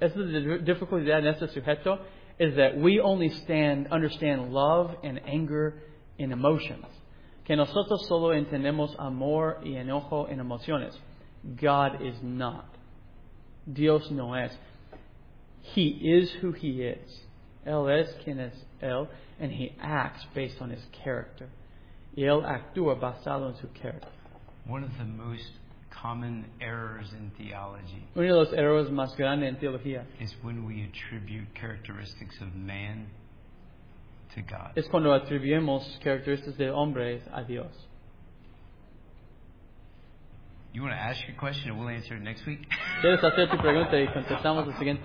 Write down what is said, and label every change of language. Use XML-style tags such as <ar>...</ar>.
<en>That's the difficulty that</en> <es>necesita sujeto,</es> <en>is that we only understand love and anger in emotions.</en> <es>Que nosotros solo entendemos amor y enojo en emociones.</es> <en>God is not.</en> <es>Dios no es.</es> <en>He is who He is.</en> <es>Él es quien es Él,</es> <en>and He acts based on His character.</en> <es>Y Él actúa basado en su carácter.</es> <en>One of the most common errors in theology.</en> <es>Uno de los errores más grandes en teología.</es> <en>Is when we attribute characteristics of man to God.</en> <es>Es cuando atribuimos características de hombres a Dios.</es> <en>You want to ask your question and we'll answer it next week?</en> <es>¿Quieres hacer tu pregunta y contestamos la siguiente?</es>